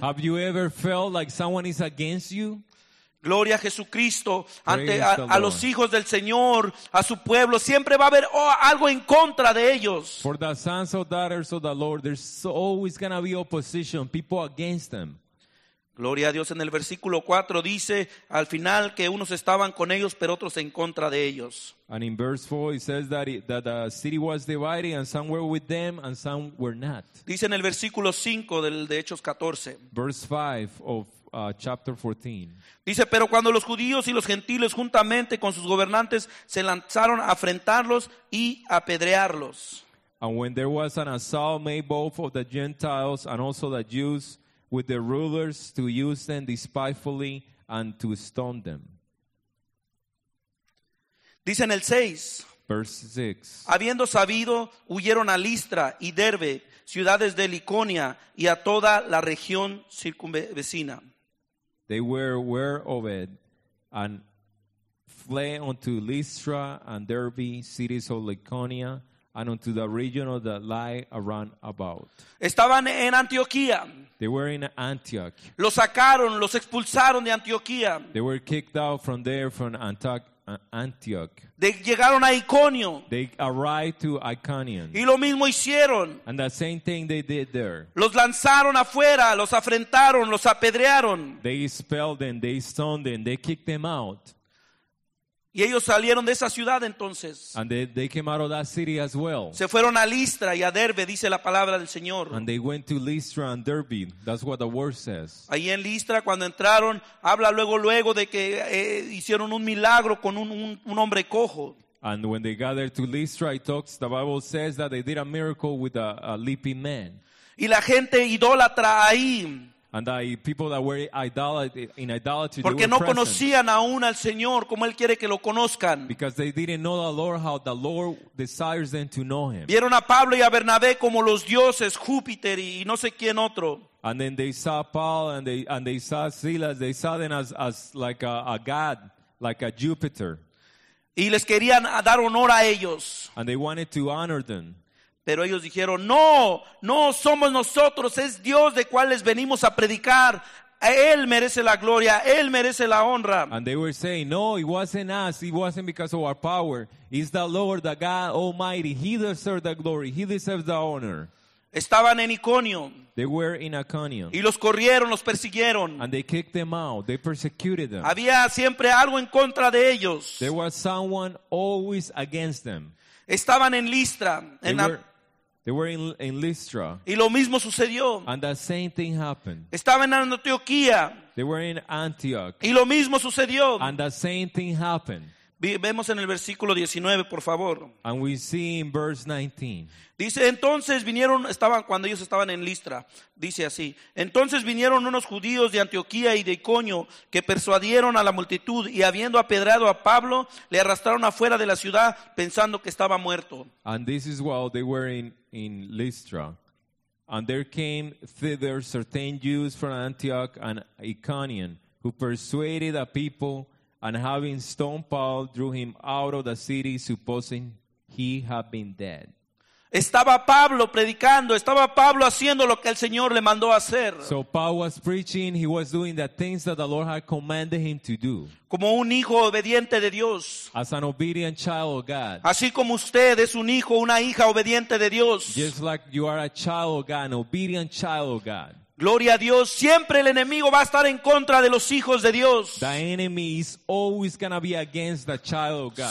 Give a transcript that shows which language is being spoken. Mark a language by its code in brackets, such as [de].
[en] Have you ever felt like someone is against you? [es] Gloria a Jesucristo. [en] Praise [es] ante a los hijos del Señor, a su pueblo, siempre va a haber algo en contra de ellos. [en] For the sons or daughters of the Lord, there's always going to be opposition, people against them. [es] Gloria a Dios. En el versículo 4 dice al final que unos estaban con ellos, pero otros en contra de ellos. [en] And in verse 4 it says that the city was divided and some were with them and some were not. [es] Dice en el versículo 5 de Hechos 14. [en] Verse 5 of chapter 14. [es] Dice, pero cuando los judíos y los gentiles juntamente con sus gobernantes se lanzaron a enfrentarlos y apedrearlos. [en] And when there was an assault made both of the Gentiles and also the Jews, with the rulers to use them despitefully and to stone them. [es] Dice en el 6. [en] Verse 6. [es] Habiendo sabido, huyeron a Listra y Derbe, ciudades de Liconia y a toda la región circunvecina. [en] They were aware of it and fled unto Listra and Derbe, cities of Liconia, and unto the region of the lie around about. [es] Estaban en Antioquía. [en] They were in Antioch. [es] Los sacaron, los expulsaron de Antioquía. [en] They were kicked out from there, from Antioch. They [es] llegaron a Iconio. [en] They arrived to Iconium. [es] Y lo mismo hicieron. [en] And the same thing they did there. [es] Los lanzaron afuera, los afrentaron, los apedrearon. [en] They expelled them, they stoned them, they kicked them out. [es] Y ellos salieron de esa ciudad entonces. [en] And they came out of that city as well. [es] Se fueron a Listra y a Derbe, dice la palabra del Señor. [en] And they went to Listra and Derbe. That's what the word says. [es] Ahí en Listra, cuando entraron, habla luego de que hicieron un milagro con un hombre cojo. [en] And when they gathered to Listra, it talks, the Bible says that they did a miracle with a leaping man. [es] Y la gente idólatra ahí. [en] And the people that were in idolatry, [es] porque no conocían aún al Señor como Él quiere que lo conozcan. [en] Because they didn't know the Lord how the Lord desires them to know Him. [es] Vieron a Pablo y a Bernabé como los dioses, Júpiter y no sé quién otro. [en] And then they saw Paul and they saw Silas. They saw them as like a god, like a Jupiter. [es] Y les querían dar honor a ellos. And they wanted to honor them. Pero ellos dijeron, no, no somos nosotros, es Dios de cual les venimos a predicar. Él merece la gloria, Él merece la honra. [en] And they were saying, no, it wasn't us, it wasn't because of our power. It's the Lord, the God Almighty, He deserves the glory, He deserves the honor. [es] Estaban en Iconio. [en] They were in Iconio. [es] Y los corrieron, los persiguieron. [en] And they kicked them out, they persecuted them. [es] Había siempre algo en contra de ellos. [en] There was someone always against them. [es] Estaban en Listra. [en] They were in Listra. [es] Y lo mismo sucedió. [en] And the same thing happened. [es] Estaban en Antioquía. [en] They were in Antioch. [es] Y lo mismo sucedió. [en] And the same thing happened. [es] Vemos en el versículo 19, por favor. [en] And we see in verse 19. [es] Dice, entonces vinieron, estaban cuando ellos estaban en Listra. Dice así. Entonces vinieron unos judíos de Antioquía y de Iconio que persuadieron a la multitud y habiendo apedreado a Pablo, le arrastraron afuera de la ciudad pensando que estaba muerto. [en] And this is while they were in Listra. And there came thither certain Jews from Antioch and Iconium who persuaded the people and having stoned Paul, drew him out of the city supposing he had been dead. [es] Estaba Pablo predicando, estaba Pablo haciendo lo que el Señor le mandó hacer. [en] So Paul was preaching, he was doing the things that the Lord had commanded him to do. [es] Como un hijo obediente de Dios. [en] As an obedient child of God. [es] Así como usted es un hijo, una hija obediente de Dios. [en] Just like you are a child of God, an obedient child of God. [es] Gloria a Dios, siempre el enemigo va a estar en contra de los hijos de Dios. [en] The enemy is always going to be against the child of God.